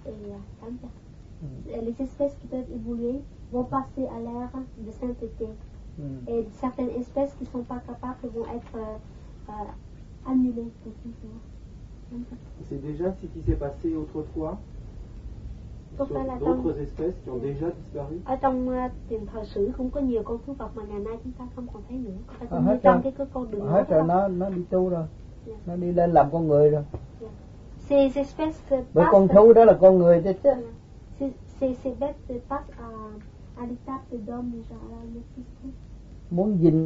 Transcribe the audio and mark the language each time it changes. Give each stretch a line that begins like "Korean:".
French: Et les espèces qui peuvent évoluer vont passer à l'ère de sainteté. Et certaines espèces qui ne sont pas capables vont être annulées pour toujours. C'est déjà ce qui s'est passé autrefois sur d'autres espèces qui ont déjà disparu.
Vietnamese: Ở trong tiền thời sử không có nhiều con thú vật mà ngày nay chúng ta không còn thấy nữa. Chúng ta còn trong cái con đường. Hết rồi, nó đi tu rồi, nó đi lên làm con người rồi.
French: Ces espèces passent.
Vietnamese: Bởi con thú đó là con người chứ.
French: Ces bêtes passent à l'étape d'homme déjà à la maîtrise.